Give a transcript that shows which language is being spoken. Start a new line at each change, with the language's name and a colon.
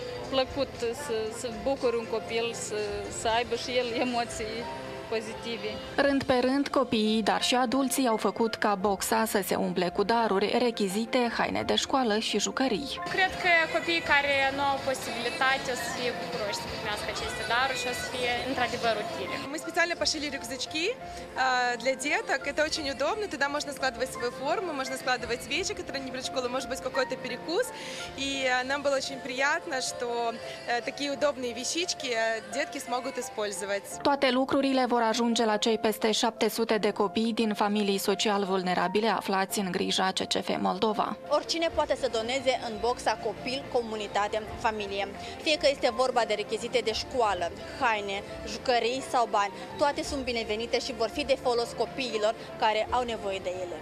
Romanian: plăcut să bucur un copil, să aibă și el emoții pozitive. Rând pe rând, copiii, dar și adulții au făcut ca boxa să se umple cu daruri, rechizite, haine de școală și jucării. Cred că copiii care nu au posibilitatea să fie bucuroși, primească aceste daruri și o să fie într-adevăr utile.
Russian: Мы специально пошили рюкзачки для деток. Это очень удобно. Туда можно складывать свою форму, можно складывать вещи, которые не при школе, может быть, какой-то перекус. И нам было очень приятно, что такие удобные вещички детки смогут использовать.
Romanian: Toate lucrurile vor ajunge la cei peste 700 de copii din familii social vulnerabile aflați în grija CCF Moldova. Oricine poate să doneze în boxa copil, comunitate, familie. Fie că este vorba de rechizite de școală, haine, jucării sau bani, toate sunt binevenite și vor fi de folos copiilor care au nevoie de ele.